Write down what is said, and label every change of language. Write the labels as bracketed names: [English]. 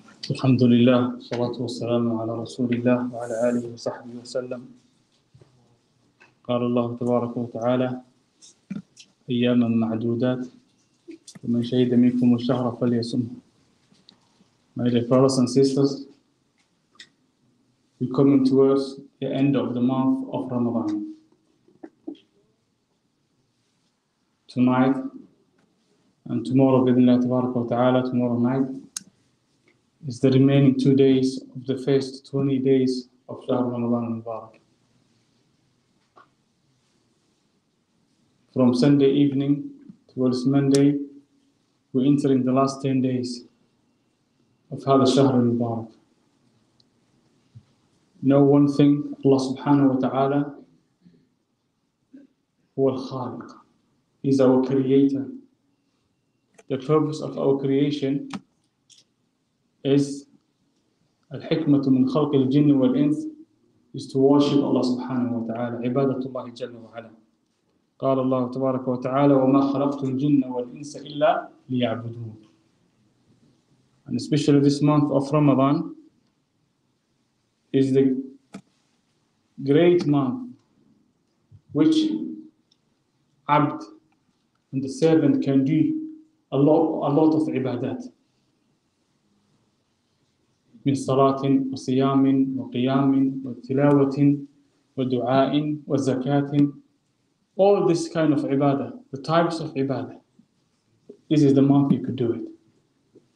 [Arabic] الحمد لله، الصلاة والسلام على رسول الله وعلى آله وصحبه وسلم. قال الله تبارك وتعالى: أياما معدودات، ومن شهد منكم الشهر فليصم. [English] My dear brothers and sisters, we're coming towards the end of the month of Ramadan. Tonight and tomorrow, [Arabic] بإذن الله تبارك وتعالى, [English] tomorrow night is the remaining 2 days of the first 20 days of Shahr Ramadan Mubarak. From Sunday evening towards Monday, we're entering the last 10 days of Hada Shahr Mubarak. No one thing, Allah subhanahu wa ta'ala, huwa al-Khaliq, is our creator. The purpose of our creation is [Arabic] الحكمة من خلق الجن والإنس [English] is to worship Allah subhanahu wa ta'ala, [Arabic] عبادة الله جل وعلا. قال الله تبارك وتعالى وما خلقت الجن والإنس إلا ليعبدون. [English] And especially this month of Ramadan is the great month which Abd and the servant can do a lot of ibadat. [Arabic] من صلاة وصيام وقيام وتلاوة ودعاء وزكاة. [English] All this kind of ibadah, the types of ibadah. This is the month you could do it.